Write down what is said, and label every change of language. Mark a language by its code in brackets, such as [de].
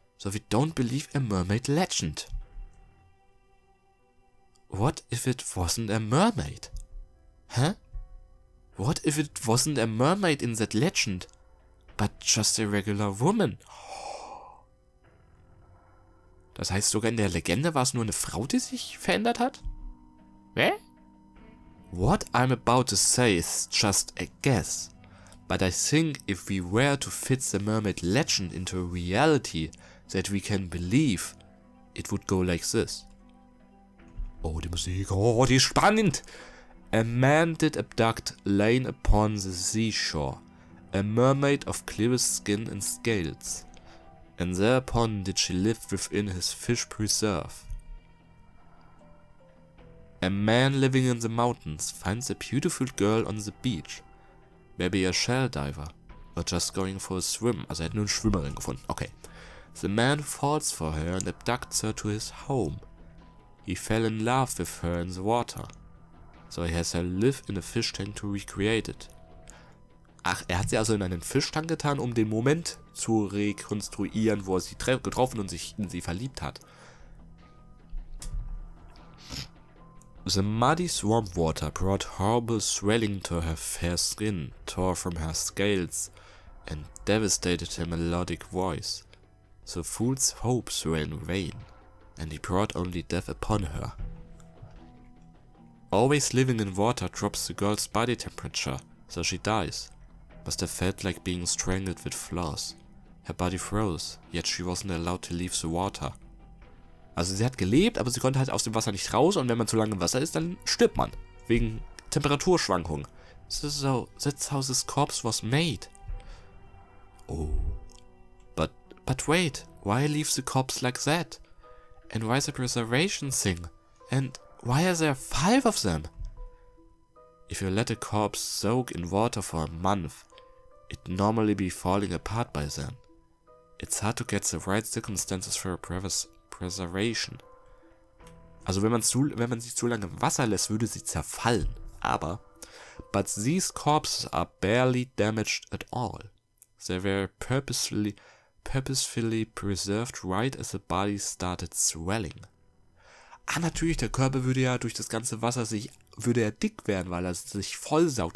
[en] So we don't believe a mermaid legend. What if it wasn't a mermaid? Huh? What if it wasn't a mermaid in that legend, but just a regular woman? [de] Das heißt, sogar in der Legende war es nur eine Frau, die sich verändert hat? Hä? [en] What I'm about to say is just a guess. But I think if we were to fit the mermaid legend into reality that we can believe, it would go like this. [de] Oh, die Musik, oh, die ist spannend! [en] A man did abduct lying upon the seashore, a mermaid of clearest skin and scales, and thereupon did she live within his fish preserve. A man living in the mountains finds a beautiful girl on the beach, maybe a shell diver, or just going for a swim, [de] also er hat nur eine Schwimmerin gefunden, okay. [en] The man falls for her and abducts her to his home. He fell in love with her in the water. So he has her live in a fish tank to recreate it. [de] Ach, er hat sie also in einen Fischtank getan, um den Moment zu rekonstruieren, wo er sie getroffen und sich in sie verliebt hat. [en] The muddy swamp water brought horrible swelling to her fair skin, tore from her scales, and devastated her melodic voice. The fool's hopes were in vain, and he brought only death upon her. Always living in water drops the girl's body temperature, so she dies. Must have felt like being strangled with flaws. Her body froze, yet she wasn't allowed to leave the water. [de] Also sie hat gelebt, aber sie konnte halt aus dem Wasser nicht raus, und wenn man zu lange im Wasser ist, dann stirbt man. Wegen Temperaturschwankungen. [en] So, that's how this corpse was made. Oh. But wait, why leave the corpse like that? And why the preservation thing? And why are there five of them? If you let a corpse soak in water for a month, it'd normally be falling apart by then. It's hard to get the right circumstances for a preservation. [de] Also wenn man sie zu lange im Wasser lässt, würde sie zerfallen. Aber, [en] but these corpses are barely damaged at all. They were purposefully preserved right as the body started swelling. [de] Ah, natürlich, der Körper würde ja durch das ganze Wasser würde er dick werden, weil er sich vollsaugt.